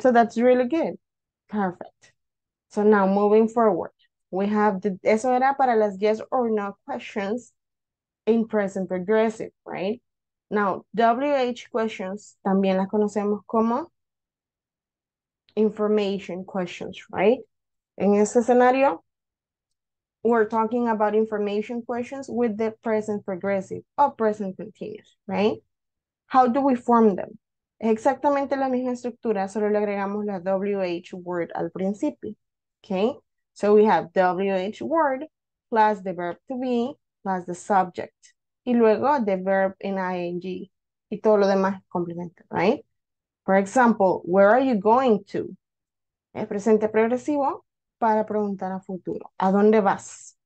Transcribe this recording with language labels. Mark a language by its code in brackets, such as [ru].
[en] So that's really good. Perfect. So now moving forward, we have the, [es] eso era para las [en] yes or no questions in present progressive, right? Now, WH questions, [es] también las conocemos como [en] information questions, right? [es] En este escenario, [en] we're talking about information questions with the present progressive or present continuous, right? How do we form them? [es] Es exactamente la misma estructura, solo le agregamos la WH word al principio. Okay? [en] So we have WH word plus the verb to be plus the subject. [es] Y luego [en] the verb in ing. [es] Y todo lo demás complemento, right? [en] For example, where are you going to? [es] El presente progresivo para preguntar a futuro. ¿A dónde vas?